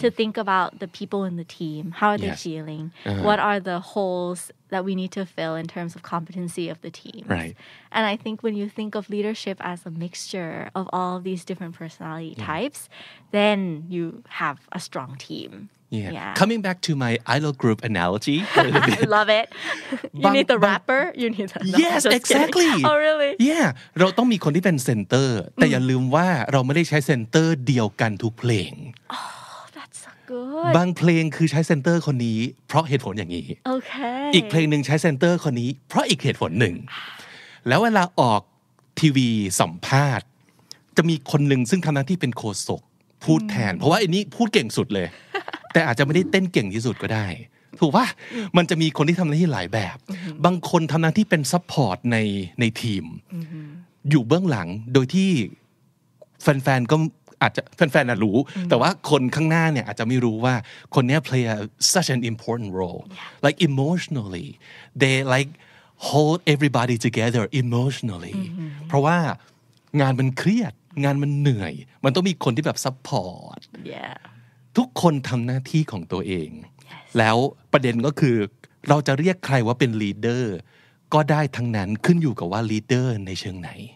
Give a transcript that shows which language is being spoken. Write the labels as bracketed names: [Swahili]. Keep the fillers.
[English] to think about the people in the team how are yes. they feeling uh, what are the holes that we need to fill in terms of competency of the team right and i think when you think of leadership as a mixture of all of these different personality yeah. types then you have a strong team Yeah. yeah. Coming back to my idol group analogy. I love it. You need the rapper. You need the Yes, exactly. Kidding. Oh, really? Yeah. [Thai] เราต้องมีคนที่เป็นเซนเตอร์ แต่อย่าลืมว่าเราไม่ได้ใช้เซนเตอร์เดียวกันทุกเพลง [English] Oh, that's so good. [Thai] บางเ พลงคือใช้เซนเตอร์คนนี้ เพราะเหตุผลอย่างนี้ [English] Okay. [Thai] อีกเพลงห นึ่งใช้เซนเตอร์คนนี้ เพราะอีกเหตุผลหนึ่ง แล้วเวลาออกทีวีสัมภาษณ์ จะมีคนหนึ่งซึ่งทำหน้าที่เป็นโคศกพูดแทน เพราะว่าอันนี้พูดเก่งสุดเลยแต่อาจจะไม่ได้เต้นเก่งที่สุดก็ได้ ถูกปะมันจะมีคนที่ทำหน้าที่หลายแบบ บางคนทำหน้าที่เป็นซัพพอร์ตในในทีมอยู่เบื้องหลังโดยที่แฟนๆก็อาจจะแฟนๆน่ะรู้ แต่ว่าคนข้างหน้าเนี่ยอาจจะไม่รู้ว่าคนนี้ [English] play a such an important role yeah. like emotionally they like hold everybody together emotionally mm-hmm. [Thai] เพราะว่างานมันเครียดงานมันเหนื่อย มันต้องมีคนที่แบบซัพพอร์ตทุกคนทำหน้าที่ของตัวเอง yes. แล้วประเด็นก็คือเราจะเรียกใครว่าเป็นลีดเดอร์ก็ได้ทั้งนั้นขึ้นอยู่กับว่าลีดเดอร์ในเชิงไหน